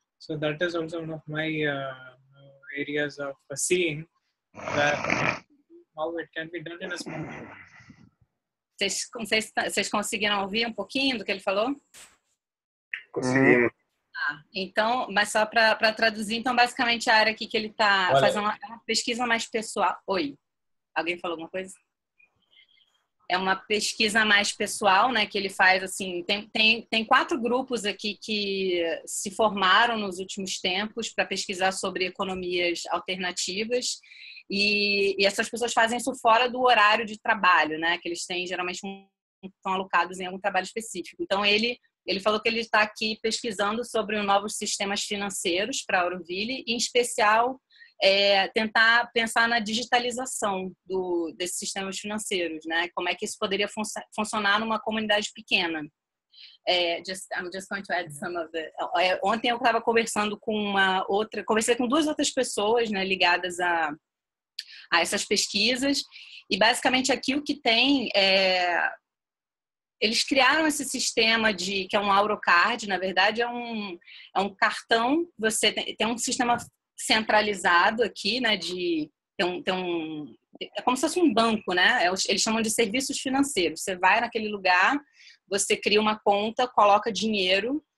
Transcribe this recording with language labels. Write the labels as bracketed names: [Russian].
[English] So that is also one of my areas of seeing that how it can be done in a small way. [Portuguese] Vocês conseguiram ouvir um pouquinho do que ele falou? Conseguimos. Ah, então, mas só para traduzir, então basicamente a área aqui que ele está fazendo uma pesquisa mais pessoal. Oi, alguém falou alguma coisa? É uma pesquisa mais pessoal, né, que ele faz assim, tem quatro grupos aqui que se formaram nos últimos tempos para pesquisar sobre economias alternativas. E essas pessoas fazem isso fora do horário de trabalho, né? Que eles têm, geralmente, estão alocados em algum trabalho específico. Então, ele falou que ele está aqui pesquisando sobre novos sistemas financeiros para Auroville, em especial, tentar pensar na digitalização desses sistemas financeiros, né? Como é que isso poderia funcionar numa comunidade pequena. [English] I'm just going to add some of it. [Portuguese] Ontem eu estava conversando com duas outras pessoas, né, ligadas a essas pesquisas, e basicamente aqui o que tem é, eles criaram esse sistema de, que é um Eurocard, na verdade é um cartão, você tem um sistema centralizado aqui, né, de é como se fosse um banco, né, eles chamam de serviços financeiros, você vai naquele lugar, você cria uma conta, coloca dinheiro,